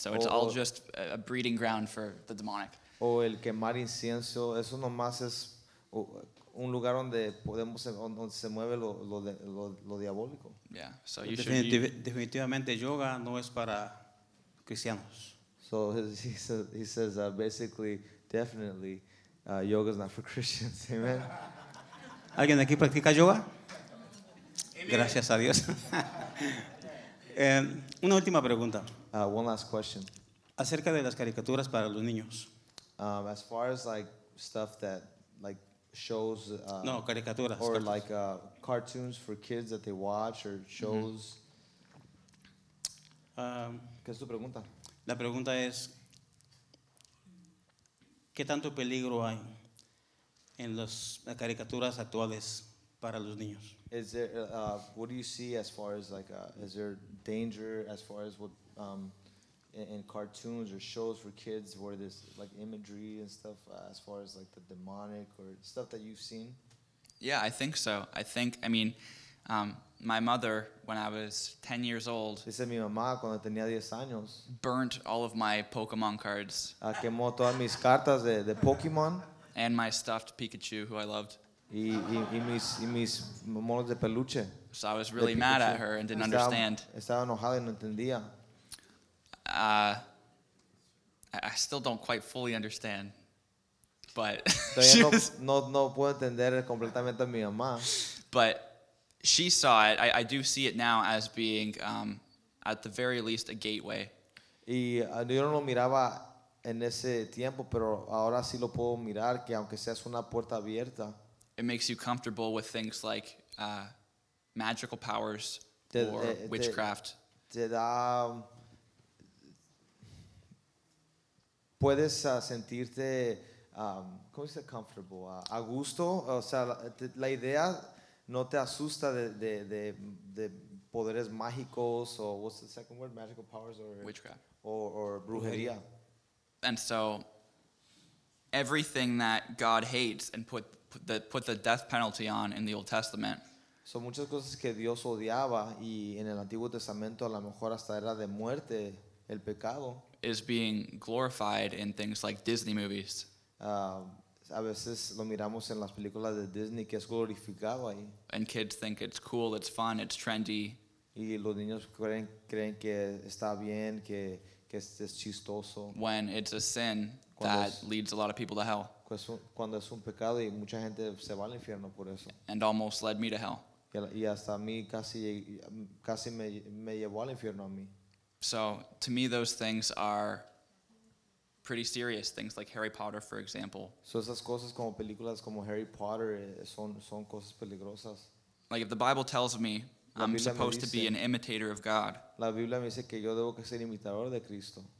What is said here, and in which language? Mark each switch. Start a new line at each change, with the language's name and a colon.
English: So it's all just a breeding ground for the demonic.
Spanish: O el quemar incienso, eso nomás es un lugar donde se mueve lo diabólico.
English: Yeah. So you should
Spanish: definitivamente yoga no es para cristianos.
English: So he says basically, definitely, yoga is not for Christians. Amen.
Spanish: ¿Alguien aquí practica yoga? Gracias a Dios. Una última pregunta.
English: One last question.
Spanish: Acerca de las caricaturas para los niños.
English: As far as like stuff that like shows.
Spanish: No, caricaturas.
English: Or like cartoons for kids that they watch or shows.
Spanish: ¿Qué es tu pregunta? La pregunta es, ¿qué tanto peligro hay en las caricaturas actuales para los niños?
English: Is there, what do you see as far as like, is there danger as far as what, in cartoons or shows for kids where there's like imagery and stuff as far as like the demonic or stuff that you've seen? Yeah, I think so. I think, I mean, my mother, when I was 10 years old,
Spanish: dice mi mamá, cuando tenía 10 años,
English: burnt all of my Pokemon cards.
Spanish: Quemó todas mis cartas de Pokemon.
English: And my stuffed Pikachu, who I loved.
Spanish: Y mis monos de peluche.
English: So I was really mad at her and didn't understand.
Spanish: Estaba enojada y no entendía.
English: I still don't quite fully understand. But
Spanish: no puedo entender completamente a mi mamá.
English: But she saw it. I do see it now as being, at the very least, a gateway.
Spanish: Y yo no lo miraba en ese tiempo, pero ahora sí lo puedo mirar, que aunque sea una puerta abierta.
English: It makes you comfortable with things like magical powers or witchcraft.
Spanish: Puedes sentirte, ¿cómo dice? Comfortable, a gusto. O sea, la idea no te asusta de poderes mágicos o
English: what's the second word? Magical powers or witchcraft
Spanish: or brujería.
English: And so, everything that God hates and put the death penalty on in the Old Testament.
Spanish: Son muchas cosas que Dios odiaba y en el Antiguo Testamento a lo mejor hasta era de muerte el pecado.
English: Is being glorified in things like Disney movies.
Spanish: A veces lo miramos en las películas de Disney que es glorificado ahí.
English: And kids think it's cool, it's fun, it's trendy.
Spanish: Y los niños creen que está bien, que es chistoso.
English: When it's a sin that leads a lot of people to hell.
Spanish: Cuando es un pecado y mucha gente se va al infierno por eso.
English: And almost led me to hell.
Spanish: Y hasta a mí casi me llevó al infierno a mí.
English: So, to me, those things are pretty serious. Things like Harry Potter, for example.
Spanish: So, esas cosas como películas como Harry Potter son cosas peligrosas.
English: Like, if the Bible tells me I'm supposed to be an imitator of God.
Spanish: La Biblia me dice que yo debo ser imitador de Cristo.